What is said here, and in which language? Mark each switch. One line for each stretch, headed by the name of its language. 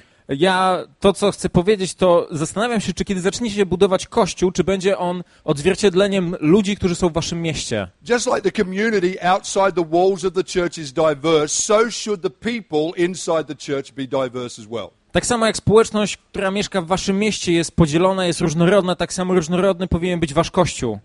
Polish: Ja to, co chcę powiedzieć, to zastanawiam się, czy kiedy zacznie się budować kościół, czy będzie on odzwierciedleniem ludzi, którzy są w waszym mieście.
English: Just like the community outside the walls of the church is diverse, so should the people inside the church be diverse as well.
Polish: Tak samo jak społeczność, która mieszka w waszym mieście, jest podzielona, jest różnorodna, tak samo różnorodny powinien być wasz kościół.